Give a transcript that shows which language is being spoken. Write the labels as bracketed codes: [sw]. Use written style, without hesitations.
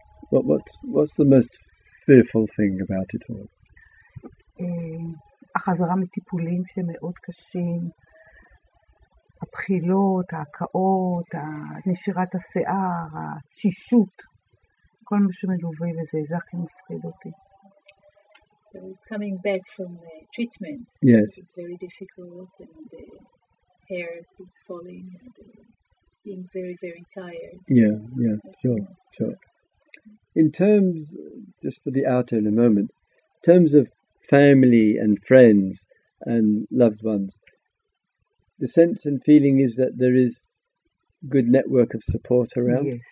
[en] What's the most fearful thing about it all? [he] החזרה מטיפולים שמאוד קשים, הבחילות, ההקאות, נשירת השיער, השישות, כל מה שמלווה לזה, זה הכי מפחיד אותי. [en] So coming back from the treatment, yes. It's very difficult, and the hair is falling, and being very, very tired. Yeah, sure. In terms, just for the outer in a moment, in terms of family and friends and loved ones, the sense and feeling is that there is good network of support around?